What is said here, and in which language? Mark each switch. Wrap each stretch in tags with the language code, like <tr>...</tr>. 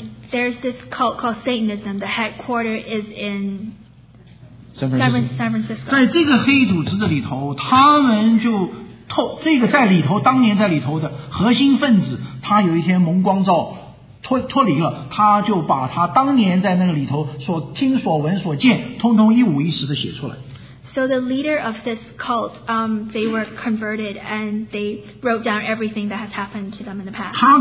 <en>There's this cult called Satanism. The headquarter is in San Francisco.</en> <zh>在这个黑组织的里头, 他们就这个在里头当年在里头的核心分子, 他有一天蒙光照。脱离了，他就把他当年在那个里头所听所闻所见，通通一五一十的写出来。</zh> <en>So the leader of this cult, they were converted and they wrote down everything that has happened to them in the past.</en>